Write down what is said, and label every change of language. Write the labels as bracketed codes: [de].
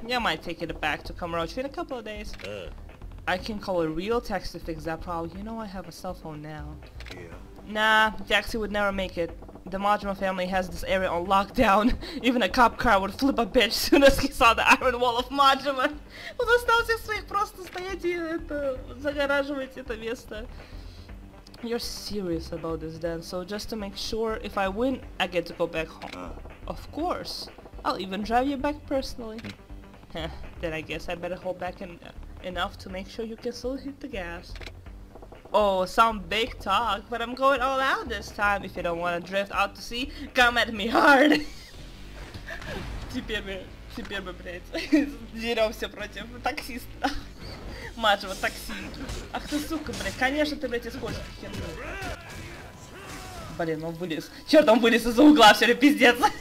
[en] You might take it back to Kamurocho in a couple of days. I can call a real taxi to fix that problem. You know I have a cell phone now. Yeah. Nah, Jaxie would never make it. The Majima family has this area on lockdown. Even a cop car would flip a bitch soon as he saw the iron wall of Majima. [ru] Он остался в своих просто стоять и это загораживать это место. [en] You're serious about this, then? So just to make sure, if I win, I get to go back home. Of course. I'll even drive you back personally. Then I guess I better hold back enough to make sure you can still hit the gas. Oh, some big talk, but I'm going all out this time. If you don't want to drift out to sea, come at me hard. [ru] Теперь мы, блядь, деремся против таксиста. Мажево такси. Ах ты сука, блядь, конечно ты, блядь, используешь херню. Блин, он вылез. Черт, он вылез из-за угла, все ли пиздец.